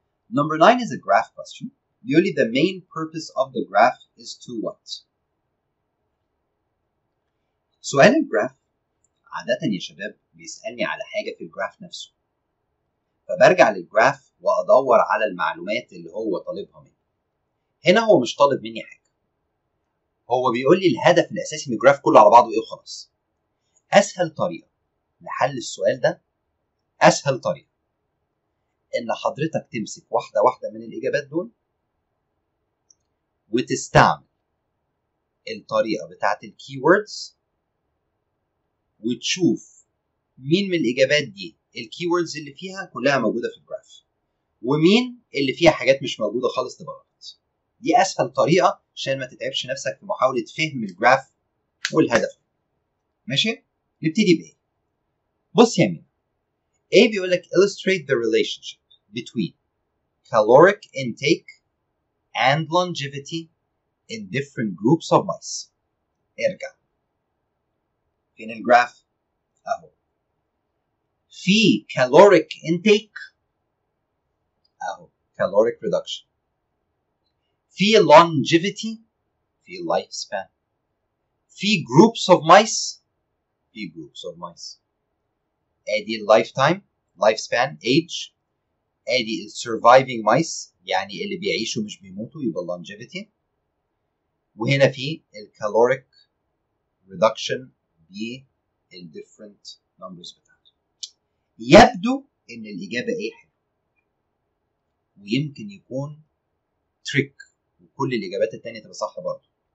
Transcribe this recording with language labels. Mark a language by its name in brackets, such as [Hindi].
[English] Number 9 is a graph question. Usually the main purpose of the graph is to what? [Arabic] سؤال الجراف عادة يا شباب بيسألني على حاجة في الجراف نفسه. فبرجع للجراف وأدور على المعلومات اللي هو طالبها مني. هنا هو مش طالب مني حاجة. هو بيقول لي الهدف الأساسي من الجراف كله على بعضه إيه وخلاص. أسهل طريقة لحل السؤال ده، أسهل طريقة إن حضرتك تمسك واحدة واحدة من الإجابات دول وتستعمل الطريقة بتاعت الكيوردز وتشوف مين من الإجابات دي الكيوردز اللي فيها كلها موجودة في الجراف ومين اللي فيها حاجات مش موجودة خالص تبقى غلط. دي أسهل طريقة عشان ما تتعبش نفسك في محاولة فهم الجراف والهدف. ماشي؟ نبتدي بإيه؟ بص يا مين. [English] A [Arabic] بيقول لك [English] illustrate the relationship between caloric intake and longevity in different groups of mice. [Arabic] ارجع. فين الجراف؟ اهو. [English] في caloric intake اهو caloric reduction. [Arabic] في longevity في lifespan. [English] في groups of mice في groups of mice. ادي lifetime lifespan age. [Arabic] ادي [English] surviving mice [Arabic] يعني اللي بيعيشوا مش بيموتوا يبقى longevity. وهنا في caloric reduction بي الـ [English] different numbers [Arabic] بتاعته. يبدو إن الإجابة إيه حلوة. ويمكن يكون تريك وكل الإجابات التانية تبقى صح برضه.